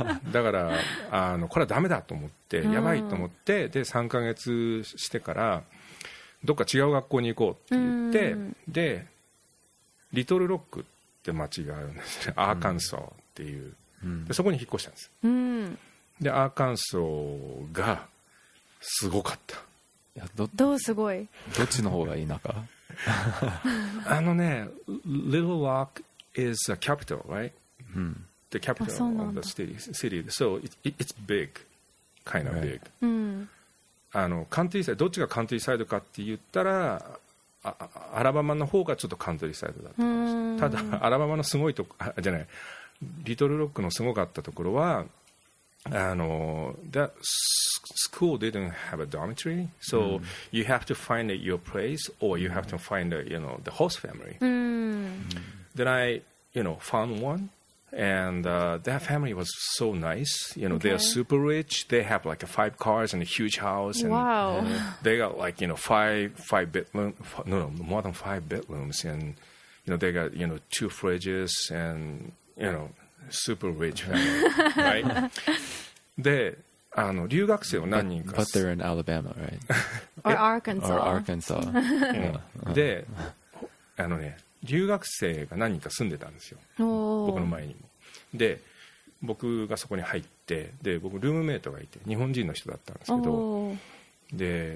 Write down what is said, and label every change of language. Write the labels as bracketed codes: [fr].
[ja] だからあのこれはダメだと思ってやばいと思って、で3ヶ月してからどっか違う学校に行こうって言って、でリトルロックって町があるんですよ、アーカンソーっていう、でそこに引っ越したんです。でアーカンソーがすごかった。いや ど, どうすごい、どっちの方がいい中 [en] あのね、Little Rock is a capital, right?、The capital of the city. So it's big, kind of big.、Right. [ja] あの、カントリーサイド、どっちがカントリーサイドかって言ったら、アラバマの方がちょっとカントリーサイドだった。ただ、アラバマのすごいとこ、じゃない、リトルロックのすごかったところは、あの、 [en] that school didn't have a dormitory, so、you have to find your place or you have to find a, you know, the host family.、Then I, you know, found one and、that family was so nice. You know,、they are super rich. They have like five cars and a huge house. And, wow. And they got like, you know, more than five bedrooms. And, you know, they got, you know, two fridges and, you know,Super rich family, right? [ja] で、あの、留学生を何人か [en] But they're in Alabama, right? Or Arkansas. Or Arkansas. Yeah. [ja] で、あのね、留学生が何人か住んでたんですよ。僕の前にも。で、僕がそこに入って、で、僕ルームメイトがいて、日本人の人だったんですけど、で、